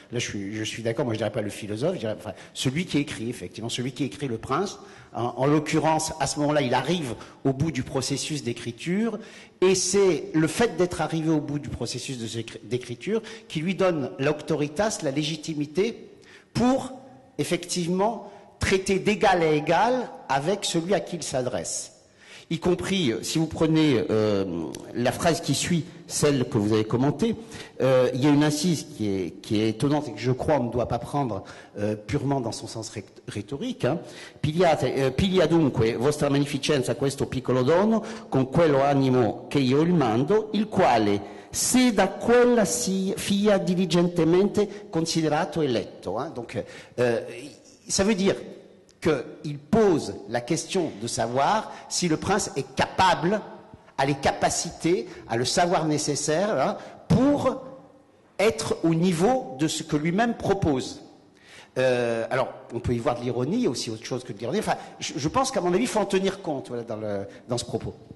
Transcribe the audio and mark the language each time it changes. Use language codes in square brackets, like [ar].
[fr] Là je suis d'accord, moi je dirais pas le philosophe, je dirais enfin, celui qui écrit effectivement, celui qui écrit le prince, en l'occurrence à ce moment-là il arrive au bout du processus d'écriture, et c'est le fait d'être arrivé au bout du processus d'écriture qui lui donne l'auctoritas, la légitimité pour effectivement traiter d'égal à égal avec celui à qui il s'adresse. Y compris, si vous prenez la phrase qui suit celle que vous avez commentée, il y a une incise qui est étonnante et que je crois on ne doit pas prendre purement dans son sens rhétorique. [it] Pilia dunque vostra magnificenza questo piccolo dono con quello animo che io il mando, il quale se da quella si fia diligentemente considerato e letto. [fr] Ça veut dire qu'il pose la question de savoir si le prince est capable, a les capacités, a le savoir nécessaire hein, pour être au niveau de ce que lui-même propose. Alors, on peut y voir de l'ironie, aussi autre chose que de l'ironie. Enfin, je pense qu'à mon avis, il faut en tenir compte voilà, dans ce propos.